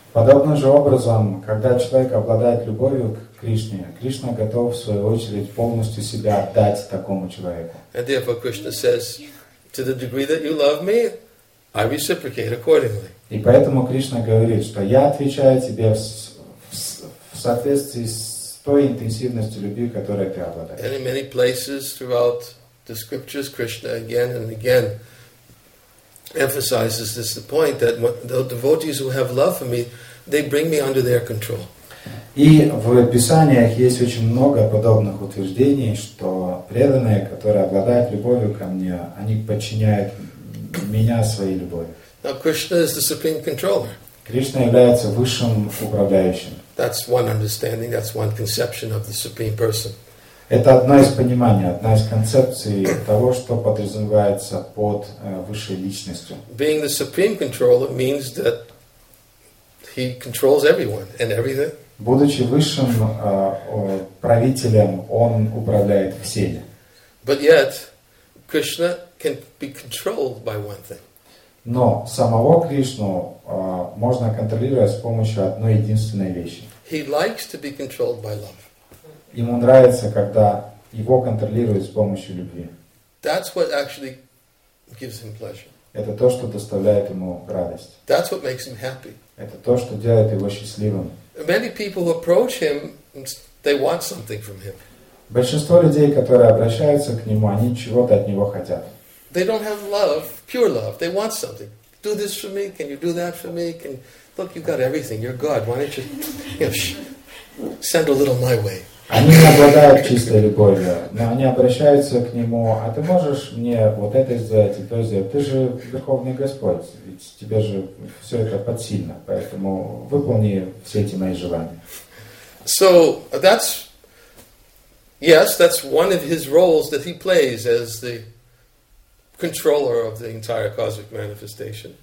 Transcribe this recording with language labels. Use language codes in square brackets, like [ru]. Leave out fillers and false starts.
[ru] Подобным же образом, когда человек обладает любовью к Кришне, Кришна готов, в свою очередь, полностью себя отдать такому человеку. [en] And therefore Krishna says, to the degree that you love me, I reciprocate accordingly. [ru] И поэтому Кришна говорит, что я отвечаю тебе в соответствии с той интенсивностью любви, которой ты обладаешь. [en] And in many places throughout the scriptures, Krishna again and again emphasizes this the point that the devotees who have love for me, they bring me under their control. [ru] И в Писаниях есть очень много подобных утверждений, что преданные, которые обладают любовью ко мне, они подчиняют меня своей любовью. [en] Now Krishna is the supreme controller. [ru] Кришна является высшим управляющим. [en] That's one understanding. That's one conception of the supreme person. [ru] Это одно из пониманий, одна из концепций того, что подразумевается под высшей личностью. [en] Being the supreme controller means that he controls everyone and everything. [ru] Будучи высшим правителем, он управляет всеми. [en] But yet, Krishna can be controlled by one thing. [ru] Но самого Кришну можно контролировать с помощью одной единственной вещи. [en] He likes to be controlled by love. [ru] Ему нравится, когда его контролируют с помощью любви. [en] That's what actually gives him pleasure. [ru] Это то, что доставляет ему радость. [en] That's what makes him happy. [ru] Это то, что делает его счастливым. [en] Many people who approach him, they want something from him. [ru] Большинство людей, которые обращаются к нему, они чего-то от него хотят. [en] They don't have love, pure love. They want something. Do this for me. Can you do that for me? Can look, you've got everything. You're God. Why don't you, send a little my way? [ru] Они не обладают чистой любовью, но они обращаются к нему, а ты можешь мне вот это сделать и то сделать? Ты же Верховный Господь, ведь тебе же все это подсильно, поэтому выполни все эти мои желания. [en] So, that's one of his roles that he plays as the controller of the entire cosmic manifestation.